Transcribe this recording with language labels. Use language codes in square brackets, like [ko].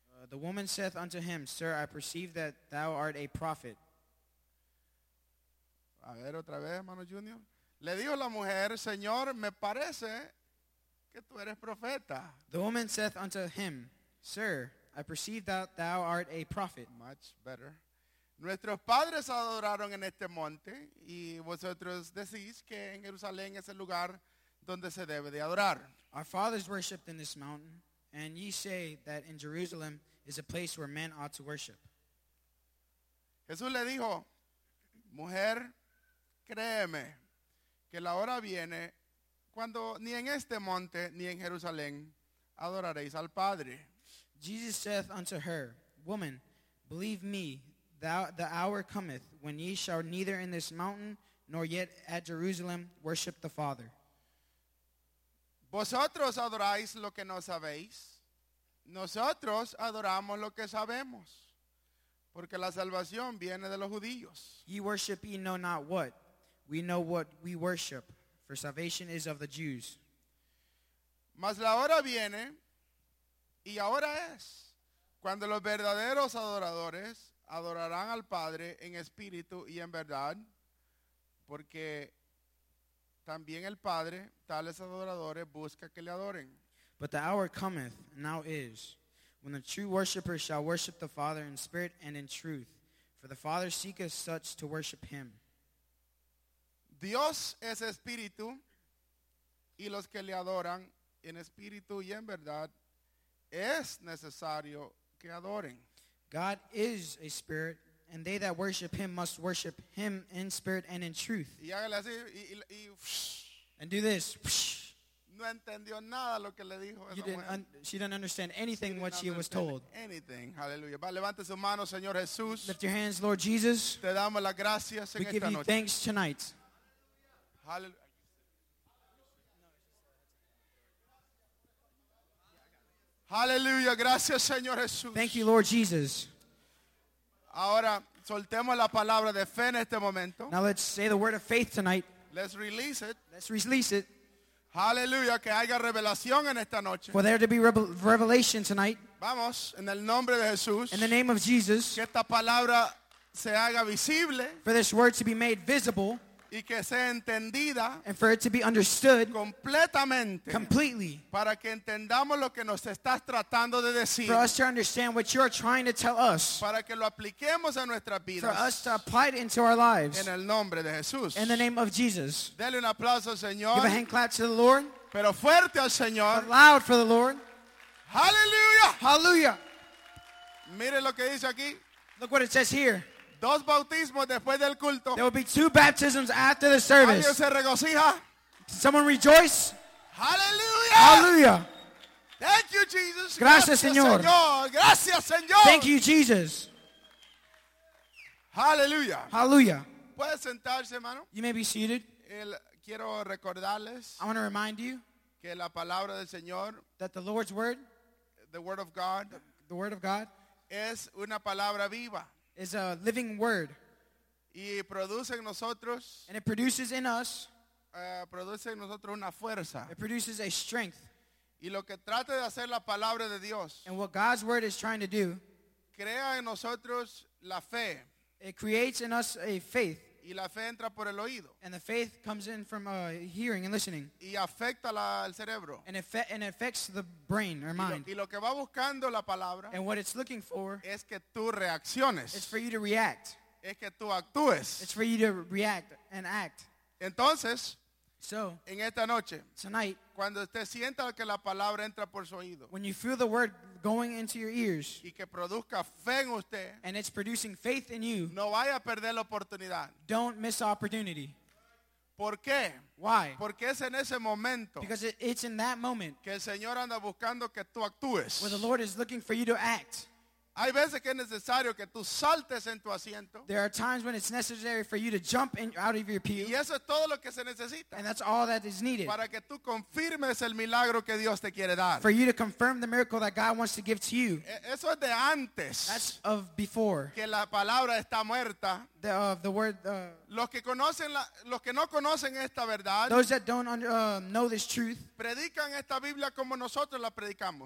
[en] The woman saith unto him, Sir, I perceive that thou art a prophet. [es] A ver otra vez, hermano Junior. Le dijo la mujer, Señor, me parece que tú eres profeta. [en] The woman saith unto him, Sir, I perceive that thou art a prophet. Much better. [es] Nuestros padres adoraron en este monte, y vosotros decís que en Jerusalén es el lugar donde se debe de adorar. [en] Our fathers worshipped in this mountain, and ye say that in Jerusalem is a place where men ought to worship. [es] Jesús le dijo, mujer, créeme, que la hora viene cuando ni en este monte ni en Jerusalén adoraréis al Padre. [en] Jesus saith unto her, woman, believe me, the hour cometh when ye shall neither in this mountain nor yet at Jerusalem worship the Father. [es] Vosotros adoráis lo que no sabéis. Nosotros adoramos lo que sabemos. Porque la salvación viene de los judíos. [en] Ye worship ye know not what. We know what we worship. For salvation is of the Jews. [es] Mas la hora viene, y ahora es, cuando los verdaderos adoradores adorarán al Padre en espíritu y en verdad, porque también el Padre tales adoradores busca que le adoren. [en] But the hour cometh, now is, when the true worshippers shall worship the Father in spirit and in truth, for the Father seeketh such to worship him. [es] Dios es espíritu, y los que le adoran en espíritu y en verdad es necesario que adoren. [en] God is a spirit, and they that worship him must worship him in spirit and in truth. [es] Y hágale así, y [en] and do this. [es] No entendió nada lo que le dijo esa mujer. [en] She didn't understand anything she what she was told. Anything. [es] Hallelujah. Va, levante su mano, Señor Jesús. [en] Lift your hands, Lord Jesus. [es] Te damos las gracias en [en] we [es] esta [en] give you [es] noche. [en] Thanks tonight. Hallelujah. [es] Hallelujah, gracias Señor Jesús. [en] Thank you, Lord Jesus. [es] Ahora soltemos la palabra de fe en este momento. [en] Now let's say the word of faith tonight. Let's release it. Let's release it. [es] Hallelujah, que haya revelación en esta noche. [en] For there to be revelation tonight. [es] Vamos, en el nombre de Jesús. [en] In the name of Jesus. [es] Que esta palabra se haga visible. [en] For this word to be made visible. [es] Y que sea entendida. [en] And for it to be understood. [es] Completamente. [en] Completely. [es] Para que entendamos lo que nos estás tratando de decir. [en] For us to understand what you are trying to tell us. [es] Para que lo apliquemos a nuestras vidas. [en] For us to apply it into our lives. [es] En el nombre de Jesús. [en] In the name of Jesus. [es] Dele un aplauso al Señor. [en] Give a hand clap to the Lord. [es] Pero fuerte al Señor. [en] But loud for the Lord. Hallelujah. Hallelujah. [es] Mire lo que dice aquí. [en] Look what it says here. [es] Dos bautismos después del culto. [en] There will be two baptisms after the service. [es] ¿Alguien se regocija? [en] Someone rejoice. Hallelujah. Hallelujah. Thank you, Jesus. [es] Gracias, Señor. Gracias, Señor. [en] Thank you, Jesus. Hallelujah. Hallelujah. [es] ¿Puedes sentarse, hermano? [en] You may be seated. [es] Quiero recordarles. [en] I want to remind you. [es] Que la palabra del Señor. [en] That the Lord's word. The word of God. The word of God. [es] Es una palabra viva. [en] Is a living word. [es] Y produce en nosotros, [en] and it produces in us, [es] produce en nosotros una fuerza. [en] It produces a strength. [es] Y lo que trata de hacer la palabra de Dios, [en] and what God's word is trying to do, [es] crea en nosotros la fe. [en] It creates in us a faith. [es] Y la fe entra por el oído. [en] And the faith comes in from hearing and listening. [es] Y afecta al cerebro. [en] And it affects the brain or mind. [es] Y lo que va buscando la palabra, [en] and what it's looking for, [es] es que tú reacciones. [en] It's for you to react. [es] Es que tú actúes. [en] It's for you to react and act. [es] Entonces, [en] so, [es] en esta noche, [en] tonight, [es] cuando usted sienta que la palabra entra por su oído, [en] when you feel the word going into your ears, [es] y que produzca fe en usted, [en] and it's producing faith in you, [es] no vaya a perder la oportunidad. [en] Don't miss opportunity. [es] ¿Por qué? [en] Why? [es] Porque es en ese momento, [en] because it's in that moment, [es] que el Señor anda buscando que tú actúes, [en] where the Lord is looking for you to act. [es] Hay veces que es necesario que tú saltes en tu asiento. [en] There are times when it's necessary for you to jump in, out of your pew. [es] Y eso es todo lo que se necesita. [en] And that's all that is needed. [es] Para que tú confirmes el milagro que Dios te quiere dar. [en] For you to confirm the miracle that God wants to give to you. [es] Eso es de antes. [en] That's of before. [es] Que la palabra está muerta. Los que no conocen esta verdad, [en] those that don't know this truth, [es] predican esta Biblia como nosotros la predicamos.